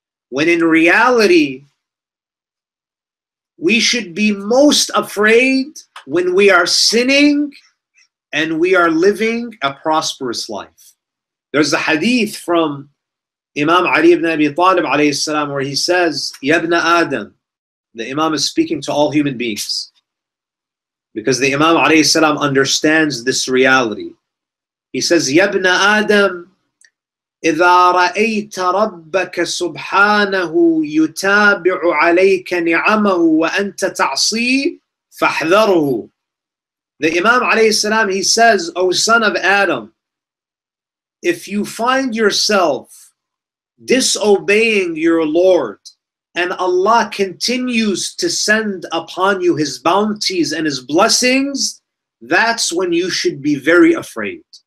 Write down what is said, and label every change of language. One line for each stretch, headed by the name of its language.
English: When in reality, we should be most afraid when we are sinning and we are living a prosperous life. There's a hadith from Imam Ali ibn Abi Talib alayhi salam where he says, Ya ibn Adam, the Imam is speaking to all human beings. Because the Imam alayhi salam understands this reality. He says,
Arabic: Ya ibn Adam, إِذَا رَأَيْتَ رَبَّكَ سُبْحَانَهُ يُتَابِعُ عَلَيْكَ نِعَمَهُ وَأَنْتَ تَعْصِيهِ فَاحْذَرُهُ.
English: The Imam alayhi salam, he says, O son of Adam, if you find yourself disobeying your Lord and Allah continues to send upon you His bounties and His blessings, that's when you should be very afraid.